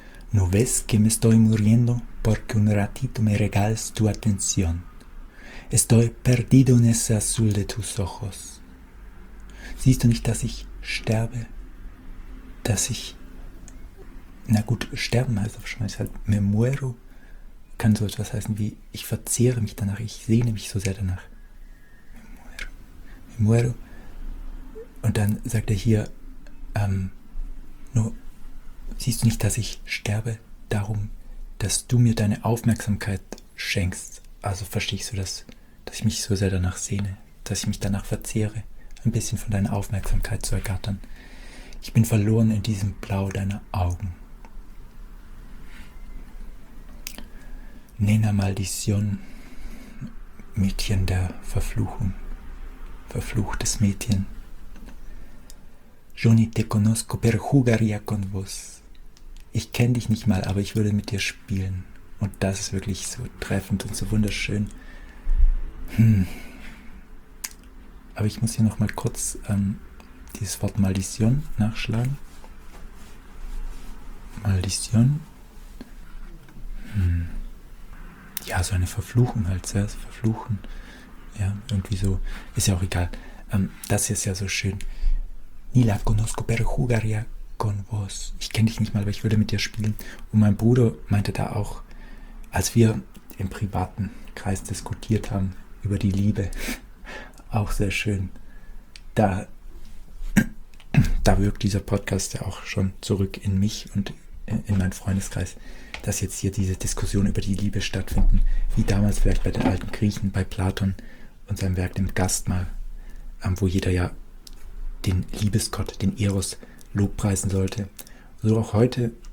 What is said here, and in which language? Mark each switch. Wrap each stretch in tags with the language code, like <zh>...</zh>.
<es>¿No ves que me estoy muriendo porque un ratito me regales tu atención? Estoy perdido en ese azul de tus ojos.</es> <de>¿Siehst du nicht, dass ich sterbe? Dass ich, na gut, sterben heißt auf Spanisch halt,</de> <es>me muero,</es> <de>kann so etwas heißen wie, ich verzehre mich danach, ich sehne mich so sehr danach. Muero. Und dann sagt er hier, nur siehst du nicht, dass ich sterbe darum, dass du mir deine Aufmerksamkeit schenkst. Also verstehst du das, dass ich mich so sehr danach sehne, dass ich mich danach verzehre, ein bisschen von deiner Aufmerksamkeit zu ergattern. Ich bin verloren in diesem Blau deiner Augen. Nena Maldición, Mädchen der Verfluchung. Verfluchtes Mädchen.</de> <es>Yo ni te conozco, pero jugaría con vos.</es> <de>Ich kenne dich nicht mal, aber ich würde mit dir spielen. Und das ist wirklich so treffend und so wunderschön. Aber ich muss hier nochmal kurz dieses Wort Maldición nachschlagen. Maldición. Ja, so eine Verfluchung halt, ja, so verfluchen. Ja, irgendwie so, ist ja auch egal. Das hier ist ja so schön.</de> <es>Ni la conozco, pero jugaría con vos.</es> <de>Ich kenne dich nicht mal, aber ich würde mit dir spielen. Und mein Bruder meinte da auch, als wir im privaten Kreis diskutiert haben über die Liebe, auch sehr schön. Da wirkt dieser Podcast ja auch schon zurück in mich und in meinen Freundeskreis, dass jetzt hier diese Diskussion über die Liebe stattfinden, wie damals vielleicht bei den alten Griechen, bei Platon, und seinem Werk nimmt Gastmahl, wo jeder ja den Liebesgott, den Eros, lobpreisen sollte. So auch heute.</de>